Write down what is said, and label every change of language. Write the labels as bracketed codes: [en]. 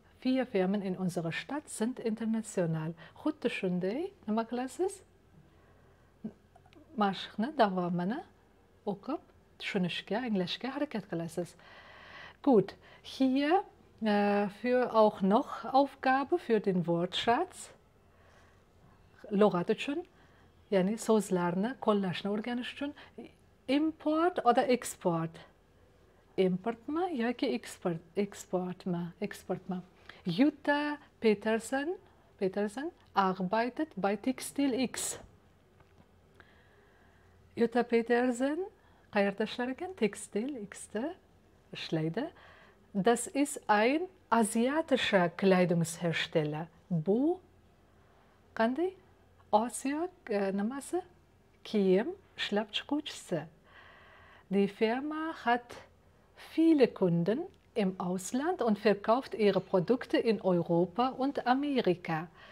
[de] Viele Firmen in unserer Stadt sind international. [uz] Xuddi shunday, nima qilasiz? Mashqni davomini o'qib tushunishga, anglashga harakat qilasiz. [de] Gut, hier für auch noch Aufgabe für den Wortschatz. [uz] Lug'at uchun, ya'ni so'zlarni qo'llashni o'rganish uchun [de] import oder export? [uz] Importmi yoki export? Exportmi? Exportmi? [de] Jutta Petersen arbeitet bei TextilX. [uz] Jutta Petersen qayerda ishlar ekan? TextilX da ishlaydi. [de] Das ist ein asiatischer Kleidungshersteller. [uz] Bu qanday? Osiyo nimasi? Kiyim ishlab chiquvchisi. [de] Die Firma hat viele Kunden im Ausland und verkauft ihre Produkte in Europa und Amerika.